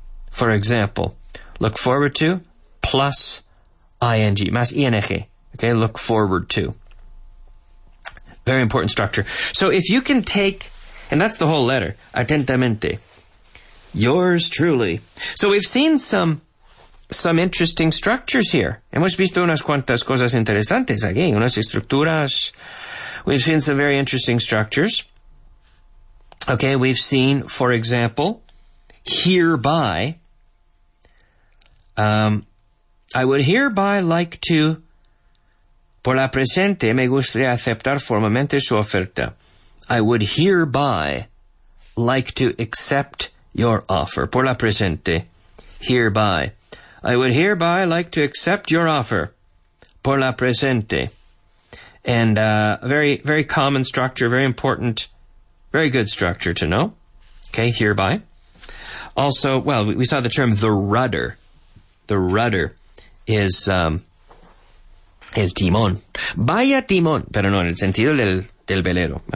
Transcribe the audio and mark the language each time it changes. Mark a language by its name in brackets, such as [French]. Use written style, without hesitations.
[English] For example, look forward to plus ING. Más ING. Okay, look forward to. Very important structure. So if you can take, and that's the whole letter, atentamente, yours truly. So we've seen some interesting structures here. [Spanish] Hemos visto unas cuantas cosas interesantes aquí, unas estructuras. [English] We've seen some very interesting structures. Okay, we've seen, for example, hereby. I would hereby like to, [Spanish] por la presente, me gustaría aceptar formalmente su oferta. [English] I would hereby like to accept your offer. [Spanish] Por la presente, [English] hereby. I would hereby like to accept your offer. [Spanish] Por la presente. [English] And very, very common structure, very important, very good structure to know. Okay, hereby. Also, well, we saw the term the rudder. The rudder is el timón. [Spanish] Vaya timón, pero no en el sentido del velero.